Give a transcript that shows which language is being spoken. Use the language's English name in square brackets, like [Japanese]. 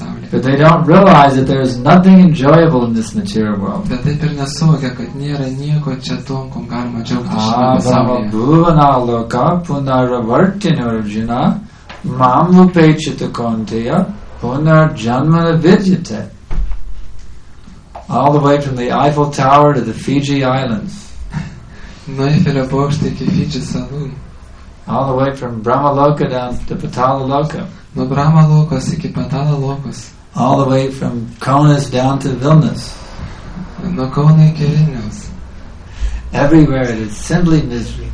[English] But they don't realize that there is nothing enjoyable in this material world. [Lithuanian] Bet taip ir nesuvokia, kad nėra nieko čia tom, kom galima džiaugtis šiame pasaulyje. [Sanskrit] Ava bhuvana loka punaravartini arjuna mam upechita kaunteya punarjanmana vidyate. [English] All the way from the Eiffel Tower to the Fiji Islands. [Lithuanian] Nuo Eifelio bokšto iki Fidži salų. [English] All the way from Brahma Loka down to Patala Loka. [Lithuanian] Nuo Brahma Lokos iki Patala Lokos. [English] All the way from Kaunas down to Vilnius. [Lithuanian] Nuo Kauno iki Vilnius. [English] Everywhere it is simply misery.